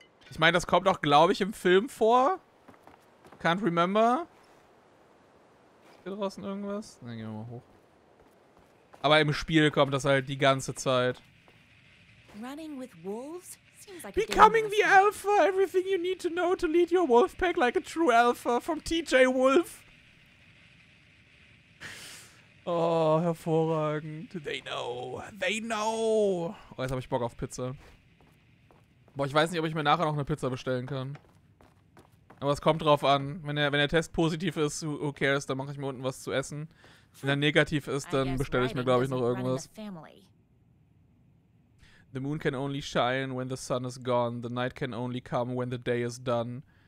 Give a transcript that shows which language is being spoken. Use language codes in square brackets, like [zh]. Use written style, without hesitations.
[de] Ich meine, das kommt auch, glaube ich, im Film vor. [en] Can't remember. [de] Ist hier draußen irgendwas? Dann gehen wir mal hoch. Aber im Spiel kommt das halt die ganze Zeit. [en] Running with wolves? Seems like becoming the alpha, everything you need to know to lead your wolf pack like a true alpha from TJ Wolf. [de] Oh, hervorragend. [en] They know. They know. [de] Oh, jetzt habe ich Bock auf Pizza. Boah, ich weiß nicht, ob ich mir nachher noch eine Pizza bestellen kann. Aber es kommt drauf an. Wenn der Test positiv ist, [en] who cares, [de] dann mache ich mir unten was zu essen. Wenn er negativ ist, dann bestelle ich mir, glaube ich, noch irgendwas. [en] The moon can only shine when the sun is gone. The night can only come when the day is done.